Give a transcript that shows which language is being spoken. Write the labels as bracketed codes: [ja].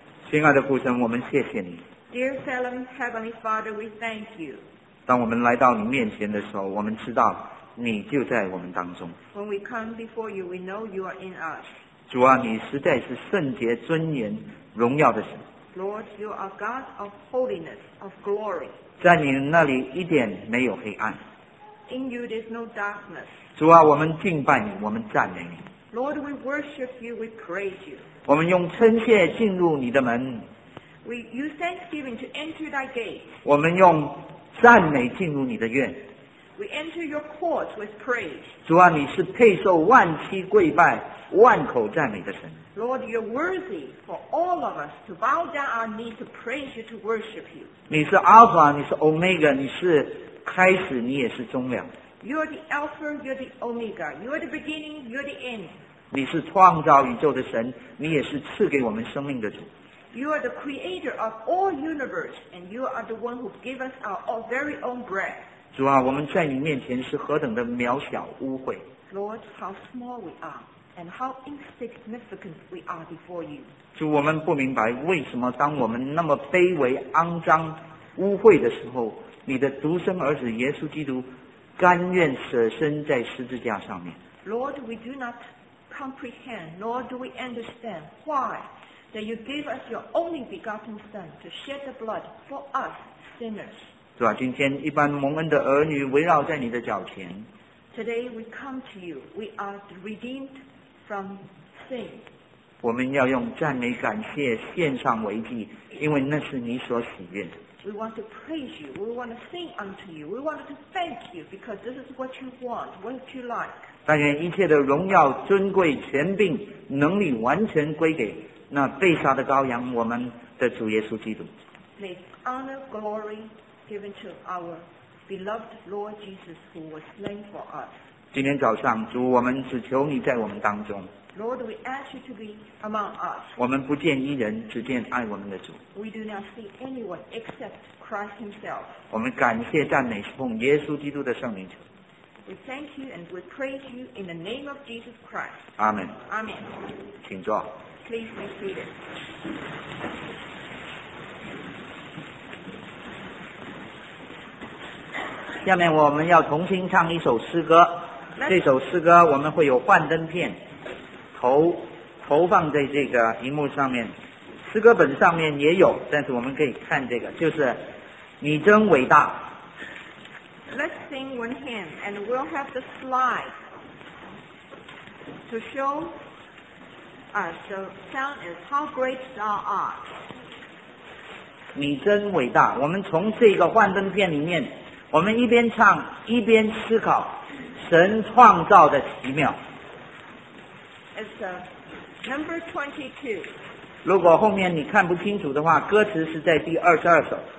[zh] 亲爱的父神，我们谢谢你。 [en] Dear Salem, Heavenly Father, we thank you. [zh] 当我们来到你面前的时候，我们知道你就在我们当中。 [en] When we come before you, we know you are in us. [zh] 主啊，你实在是圣洁、尊严、荣耀的神。 [en] Lord, you are God of holiness, of glory. [zh] 在你那里一点没有黑暗。 [en] In you, there's no darkness. [zh] 主啊，我们敬拜你，我们赞美你。 [en] Lord, we worship you, we praise you. [zh] 我们用称谢进入你的门。 [en] We use thanksgiving to enter thy gate. [zh] 我们用赞美进入你的院。 [en] We enter your courts with praise. [zh] 主啊，你是配受万膝跪拜、万口赞美的神。 [en] Lord, you're worthy for all of us to bow down our knees to praise you, to worship you. [zh] 你是 Alpha, 你是 Omega, 你是开始，你也是终了。 [en] You're the Alpha, you're the Omega. You're the beginning, you're the end. [zh] 你是创造宇宙的神，你也是赐给我们生命的主。 [en] You're the creator of all universe, and you are the one who gave us our very own breath. [zh] 主啊，我们在你面前是何等的渺小污秽。 [en] Lord, how small we are, and how insignificant we are before you. [zh] 主，我们不明白为什么当我们那么卑微、肮脏、污秽的时候，你的独生儿子耶稣基督甘愿舍身在十字架上面。 [en] Lord, we do not comprehend, nor do we understand why that you gave us your only begotten Son to shed the blood for us sinners. [zh] 主啊，今天一般蒙恩的儿女围绕在你的脚前。 [en] Today we come to you, we are redeemed from sin. [zh] 我们要用赞美感谢献上为祭，因为那是你所喜悦的。 [en] We want to praise you. We want to sing unto you. We want to thank you because this is what you want, what you like. [zh] 但愿一切的荣耀、尊贵、权柄、能力完全归给那被杀的羔羊，我们的主耶稣基督。 [en] May honor, glory given to our beloved Lord Jesus, who was slain for us. [zh] 今天早上，主，我们只求你在我们当中。 [en] Lord, we ask you to be among us. [zh] 我们不见一人，只见爱我们的主。 [en] We do not see anyone except Christ himself. [zh] 我们感谢赞美是奉耶稣基督的圣名求。 [en] We thank you and we praise you in the name of Jesus Christ. Amen. Amen. [zh] 请坐。 [en] Please be seated. [zh] 下面我们要重新唱一首诗歌。这首诗歌我们会有幻灯片投放在这个荧幕上面，诗歌本上面也有，但是我们可以看这个，就是你真伟大。 [en] Let's sing one hymn, and we'll have the slide to show us the sound is how great thou art. [zh] 你真伟大，我们从这个幻灯片里面，我们一边唱一边思考神创造的奇妙。 [en] It's number 22. [zh] 如果后面你看不清楚的话，歌词是在第22首。